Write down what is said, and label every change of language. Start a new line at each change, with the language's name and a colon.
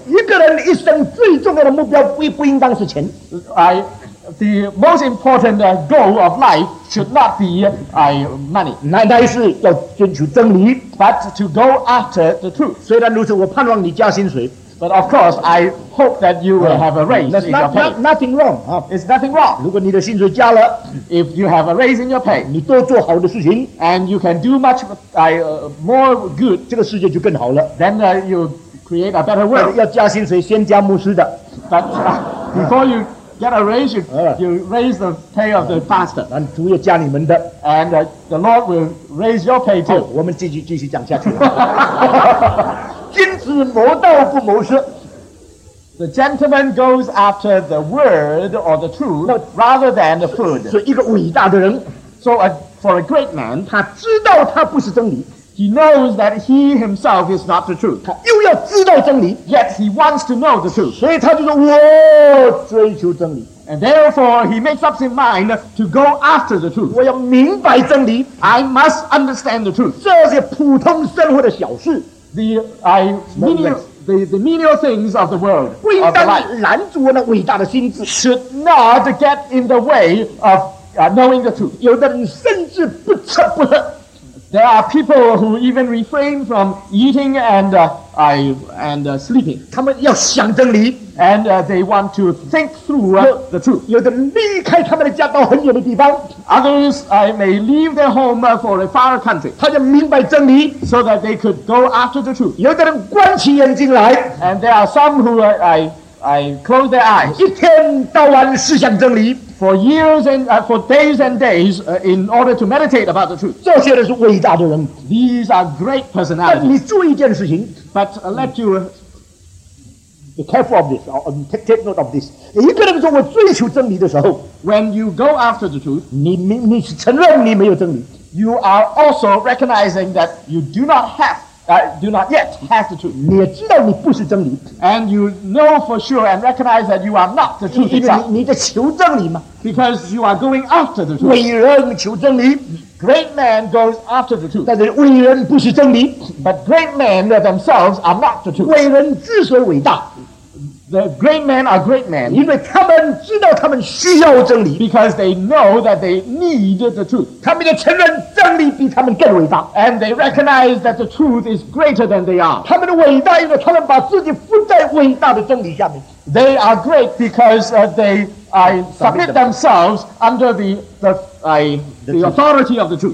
Chinese: 一个人一生最重要的目标不应当是钱。
English: The most important goal of life should not be money.
Chinese: 那是要追求真理,
English: but to go after the truth.
Chinese: 虽然如此,我盼望你加薪水。
English: But of course, I hope that you will have a raise in your pay. Nothing wrong. It's nothing wrong.
Chinese: 如果你的薪水加了,
English: if you have a raise in your pay,
Chinese: 你多做好的事情,
English: and you can do much more good,
Chinese: 这个世界就更好了,
English: then you create a better world.
Chinese: 要加薪水,先加牧师的。
English: But before you get a raise, you raise the pay of the pastor.
Chinese: 主也加你们的,
English: and the Lord will raise your pay too.
Chinese: 我们继续讲下去。君子谋道不谋事。
English: The gentleman goes after the word or the truth rather than the food.
Chinese: 是一个伟大的人。
English: So for a great man,
Chinese: 他知道他不是真理。
English: He knows that he himself is not the truth.
Chinese: 他又要知道真理。
English: Yet he wants to know the truth.
Chinese: 所以他就说我追求真理。
English: And therefore he makes up his mind to go after the truth.
Chinese: 我要明白真理。
English: I must understand the truth.
Chinese: 这些普通生活的小事。
English: The menial things of the world should not get in the way of knowing the truth.
Chinese: 有的人甚至不吃不喝。
English: There are people who even refrain from eating and sleeping.
Chinese: 他们要想真理。
English: And they want to think through the truth.
Chinese: 有的离开他们的家到很远的地方。
English: Others may leave their home for a far country.
Chinese: 他就明白真理。
English: So that they could go after the truth.
Chinese: 有的人关起眼睛来。
English: And there are some who I close their eyes.
Chinese: 一天到晚思想真理。
English: For years and for days and days, in order to meditate about the truth.
Chinese: 这些都是伟大的人。
English: These are great personalities.
Chinese: 但你注意一件事情。
English: But let you be careful of this, or take note of this.
Chinese: 一个人说我追求真理的时候,
English: when you go after the truth,
Chinese: 你承认你没有真理。
English: You are also recognizing that you do not have, do not yet have the truth.
Chinese: 你也知道你不是真理。
English: And you know for sure and recognize that you are not the truth.
Chinese: 因为你在求真理嘛。
English: Because you are going after the truth.
Chinese: 伟人求真理。
English: Great man goes after the truth.
Chinese: 但是伟人不是真理。
English: But great men themselves are not the truth.
Chinese: 伟人之所以伟大。
English: The great men are great men.
Chinese: 因为他们知道他们需要真理。
English: Because they know that they need the truth.
Chinese: 他们也承认真理比他们更伟大。
English: And they recognize that the truth is greater than they are.
Chinese: 他们的伟大因为他们把自己附在伟大的真理下面。
English: They are great because they submit themselves under the authority of the truth.